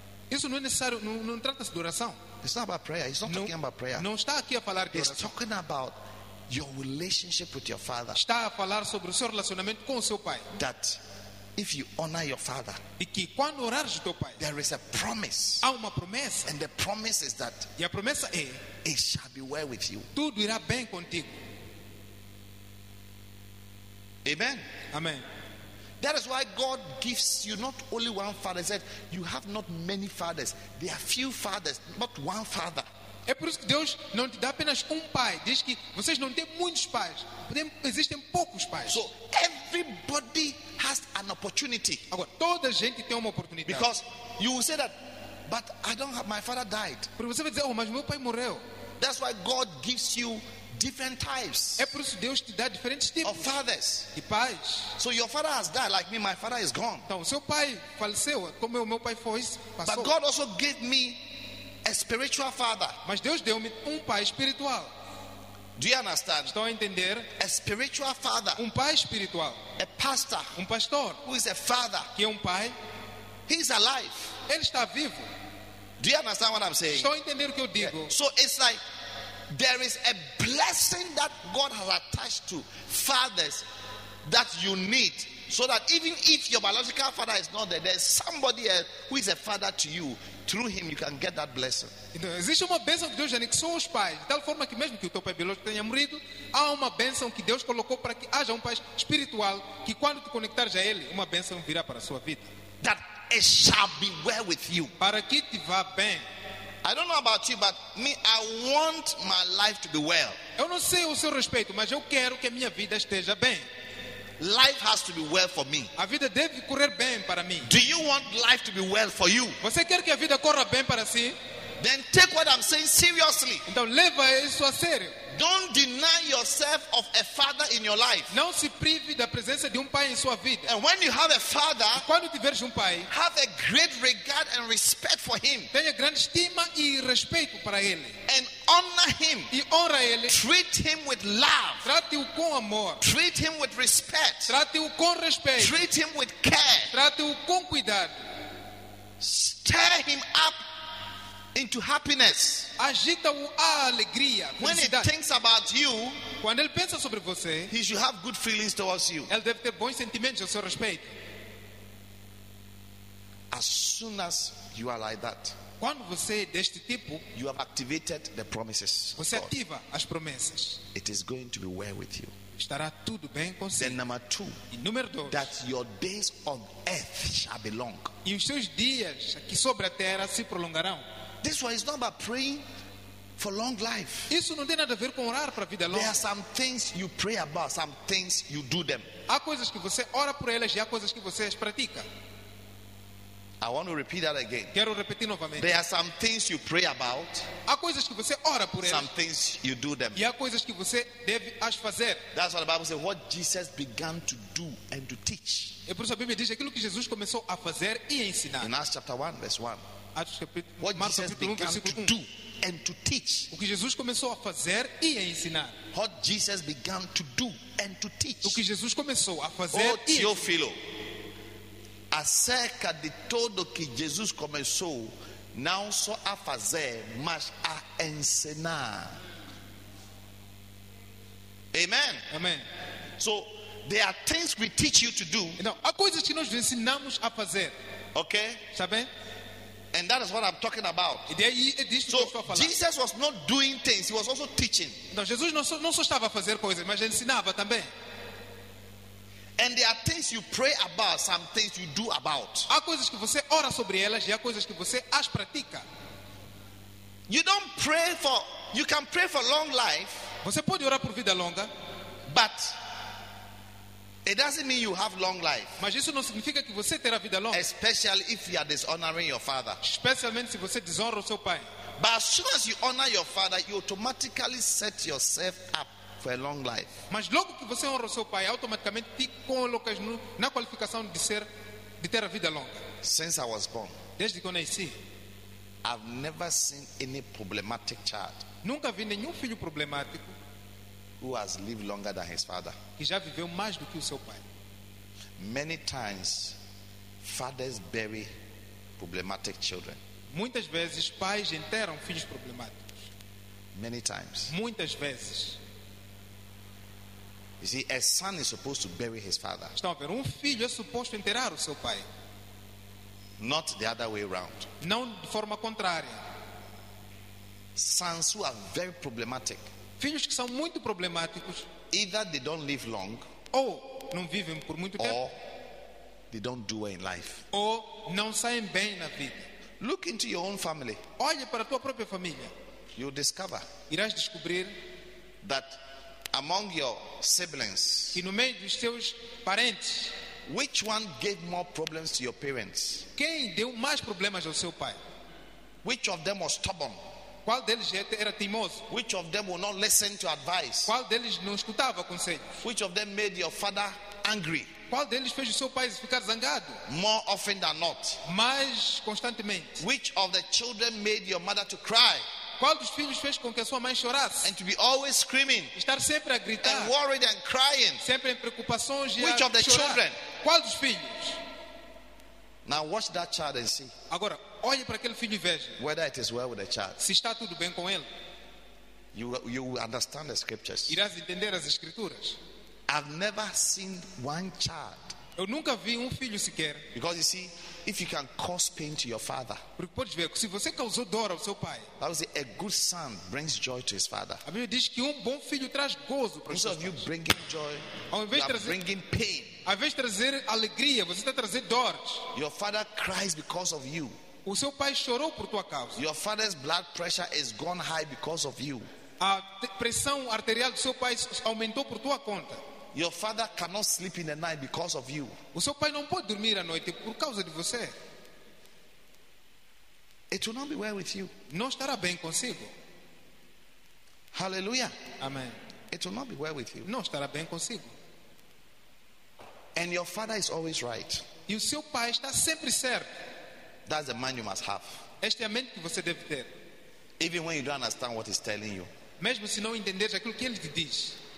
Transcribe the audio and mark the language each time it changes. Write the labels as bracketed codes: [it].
[pt] Isso não é necessário, não trata-se de oração. [en] It's not about prayer. It's not [pt] não, [en] talking about prayer. [pt] Não está aqui a falar de [en] It's [pt] oração. [en] It's talking about your relationship with your father. [pt] Está a falar sobre o seu relacionamento com o seu pai. [en] That if you honor your father, [pt] e que quando orares teu pai, [en] there is a promise. [pt] Há uma promessa. [en] And the promise is that, [pt] e a promessa é, [en] it shall be well with you. [pt] Tudo irá bem contigo. [en] Amen. [pt] Amen. [en] That is why God gives you not only one father. He said, you have not many fathers. There are few fathers, not one father. [pt] É por isso que Deus não te dá apenas pai. Diz que vocês não têm muitos pais. Existem poucos pais. [en] So everybody has an opportunity. [pt] Agora, toda gente tem uma oportunidade. [en] Because you will say that, but I don't have, my father died. [pt] Porque você vai dizer, mas meu pai morreu. [en] That's why God gives you different types. [pt] É por isso Deus te dá diferentes tipos. [en] Of fathers. [pt] De pais. [en] So your father has died, like me, my father is gone. [pt] Então, seu pai faleceu, como o meu pai foi, passou. [en] But God also gave me a spiritual father. [pt] Mas Deus deu-me pai espiritual. [en] Do you understand? [pt] Estão a entender? [en] A spiritual father. [pt] Pai espiritual. [en] A pastor. [pt] Pastor. [en] Who is a father. [pt] Que é pai. [en] He is alive. [pt] Ele está vivo. [en] Do you understand what I'm saying? [pt] Estão a entender o que eu digo? Yeah. [en] So it's like there is a blessing that God has attached to fathers that you need so that even if your biological father is not there, there's somebody else who is a father to you. Through him, you can get that blessing. [pt] Então, existe uma bênção de Deus em que são os pais, de tal forma que mesmo que o teu pai biológico tenha morrido, há uma bênção que Deus colocou para que haja um pai espiritual que quando te conectares a ele, uma bênção virá para a sua vida. [en] That it shall be well with you. [pt] Para que te vá bem. [en] I don't know about you, but me, I want my life to be well. [pt] Eu não sei o seu respeito, mas eu quero que a minha vida esteja bem. [en] Life has to be well for me. [pt] A vida deve correr bem para mim. [en] Do you want life to be well for you? [pt] Você quer que a vida corra bem para si? [en] Then take what I'm saying seriously. [pt] Então leva isso a sério. [en] Don't deny yourself of a father in your life. [pt] Não se prive da presença de pai em sua vida. [en] And when you have a father, [pt] e quando tiveres pai, [en] have a great regard and respect for him. [pt] Tenha grande estima e respeito para ele. [en] And honor him. [pt] E honra ele. [en] Treat him with love. [pt] Trate-o com amor. [en] Treat him with respect. [pt] Trate-o com respeito. [en] Treat him with care. [pt] Trate-o com cuidado. [en] Stir him up into happiness. [pt] Agita-o à alegria. [en] When he thinks about you, [pt] quando ele pensa sobre você, [en] he should have good feelings towards you. [pt] Ele deve ter bons sentimentos ao seu respeito. [en] As soon as you are like that, [pt] quando você é deste tipo, [en] you have activated the promises. [pt] Você ativa as promessas. [en] It is going to be well with you. [pt] Estará tudo bem com você. [en] Then number two, [pt] e número dois, [en] that your days on earth shall be long. [pt] E os seus dias aqui sobre a terra se prolongarão. [en] This one is not about praying for long life. [pt] Isso não tem nada a ver com orar para vida longa. [en] There are some things you pray about, some things you do them. [pt] Há coisas que você ora por elas e há coisas que você as pratica. [en] I want to repeat that again. [pt] Quero repetir novamente. [en] There are some things you pray about. [pt] Há coisas que você ora por elas. [en] Some things you do them. [pt] E há coisas que você deve as fazer. [en] That's what the Bible says. What Jesus began to do and to teach. [pt] E por isso a Bíblia diz aquilo que Jesus começou a fazer e a ensinar. [en] In Acts chapter 1, verse 1. [pt] Atos capítulo, [en] what Jesus began to do and to teach. [pt] O que Jesus começou a fazer e a ensinar. [en] What Jesus began to do and to teach. [pt] O que Jesus começou a fazer e ensinar. Oh, Teófilo, acerca de todo o que Jesus começou, não só a fazer, mas a ensinar. [en] Amen. [pt] Amen. [en] So, there are things we teach you to do. [pt] Então, há coisas que nós ensinamos a fazer. [en] Okay? [pt] Está bem? [en] And that is what I'm talking about. So Jesus was not doing things; he was also teaching. [pt] Não, Jesus não só estava a fazer coisas, mas ensinava também. [en] And there are things you pray about; some things you do about. [pt] Há coisas que você ora sobre elas e há coisas que você as pratica. [en] You don't pray for. You can pray for long life. [pt] Você pode orar por vida longa, [en] but it doesn't mean you have long life. [pt] Mas isso não significa que você terá vida longa. [en] Especially if you are dishonoring your father. [pt] Especialmente se você desonra o seu pai. [en] But as soon as you honor your father, you automatically set yourself up for a long life. [pt] Mas logo que você honra o seu pai, automaticamente te colocas na qualificação de ser de ter a vida longa. [en] Since I was born, [pt] desde que eu nasci, [en] I've never seen any problematic child. [pt] Nunca vi nenhum filho problemático. [en] Who has lived longer than his father? [pt] Que já viveu mais do que o seu pai. [en] Many times, fathers bury problematic children. [pt] Muitas vezes, pais enterram filhos problemáticos. [en] Many times. [pt] Muitas vezes. [en] You see, a son is supposed to bury his father. [pt] Estão a ver, filho é suposto enterrar o seu pai. [en] Not the other way around. [pt] Não de forma contrária. [en] Sons who are very problematic. [pt] Filhos que são muito problemáticos. [en] Either they don't live long, [pt] ou não vivem por muito tempo. [en] Or they don't do well in life. [pt] Ou não saem bem na vida. [en] Look into your own family. [pt] Olhe para a tua própria família. [en] You'll discover. [pt] Irás descobrir [en] that among your siblings, [pt] que no meio dos seus parentes, [en] which one gave more problems to your parents? [pt] Quem deu mais problemas ao seu pai? [en] Which of them was stubborn? [pt] Qual deles era teimoso? [en] Which of them will not listen to advice? [pt] Qual deles não escutava conselhos? [en] Which of them made your father angry? [pt] Qual deles fez o seu pai ficar zangado? [en] More often than not. [pt] Mais constantemente. [en] Which of the children made your mother to cry? [pt] Qual dos filhos fez com que a sua mãe chorasse? [en] And to be always screaming. [pt] Estar sempre a gritar. [en] And worried and crying. [pt] Sempre em preocupações e [en] which a of the [pt] chorar. [en] Children? [pt] Qual dos filhos? [en] Now watch that child and see. [pt] Agora, olhe para aquele filho e veja. [en] Whether it is well with the child. [pt] Se está tudo bem com ele. [en] You understand the scriptures. [pt] Irás entender as escrituras. [en] I've never seen one child. [pt] Eu nunca vi filho sequer. [en] Because you see, if you can cause pain to your father, [pt] porque pode ver, se você causou dor ao seu pai, [en] that was a good son brings joy to his father. [pt] A Bíblia diz que bom filho traz gozo para [en] instead of you bringing joy, [pt] ao invés [en] you are bringing pain. [pt] Ao invés de trazer alegria, você está trazendo dor. [en] Your father cries because of you. [pt] O seu pai chorou por tua causa. [en] Your father's blood pressure has gone high because of you. [pt] A pressão arterial do seu pai aumentou por tua conta. [en] Your father cannot sleep in the night because of you. [pt] O seu pai não pode dormir à noite por causa de você. [en] It will not be well with you. [pt] Não estará bem consigo. [en] Hallelujah. [pt] Amen. [en] It will not be well with you. [pt] Não estará bem consigo. [en] And your father is always right. [pt] E o seu pai está sempre certo. [en] That's the mind you must have. [pt] Esta é a mente que você deve ter. [en] Even when you don't understand what he's telling you. [pt] Mesmo se não entender aquilo que ele te diz.